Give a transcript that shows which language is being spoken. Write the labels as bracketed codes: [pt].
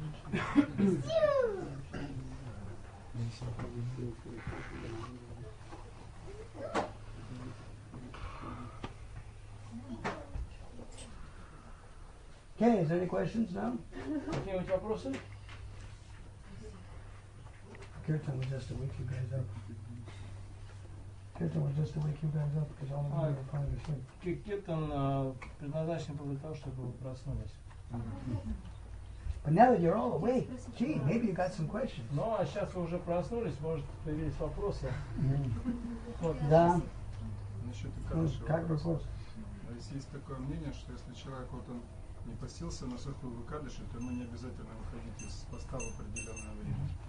[en] Okay, is there any questions now? Okay, we talk about Kirtan was just to wake you guys up. Kirtan was just to wake you guys up because all of you were falling asleep. [ru] Kirtan предназначен был для того, чтобы вы проснулись. [en] But now that you're all awake, gee, maybe you got some questions. No, [ru] а сейчас вы уже проснулись, может появились вопросы. Да. Насчет хорошего. Как вопрос? Есть такое мнение, что если человек вот он не постился на сухую выкадыши, то ему не обязательно выходить из поста в определенное время.